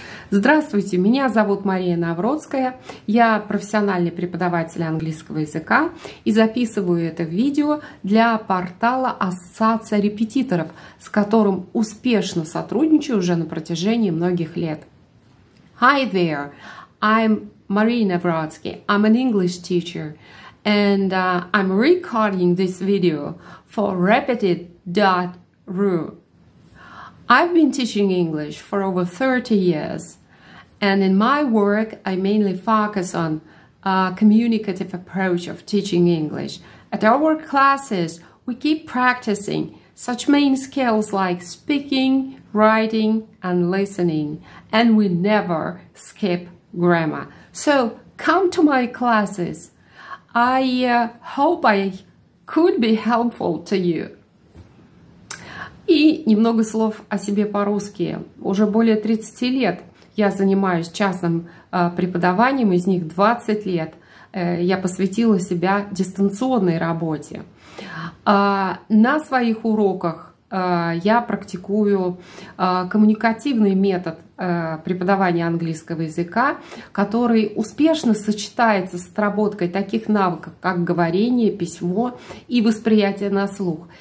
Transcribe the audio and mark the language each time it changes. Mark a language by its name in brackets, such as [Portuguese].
[Russian] Здравствуйте, меня зовут Мария Навроцкая. Я профессиональный преподаватель английского языка и записываю это видео для портала Ассоциация репетиторов, с которым успешно сотрудничаю уже на протяжении многих лет. [English] Hi there, I'm Мария Навроцкая. I'm an English teacher and I'm recording this video for repetit.ru. I've been teaching English for over 30 years, and in my work, I mainly focus on a communicative approach of teaching English. At our classes, we keep practicing such main skills like speaking, writing, and listening, and we never skip grammar. So come to my classes. I hope I could be helpful to you. [Russian] И немного слов о себе по-русски. Уже более 30 лет я занимаюсь частным преподаванием, из них 20 лет я посвятила себя дистанционной работе. На своих уроках я практикую коммуникативный метод преподавания английского языка, который успешно сочетается с отработкой таких навыков, как говорение, письмо и восприятие на слух.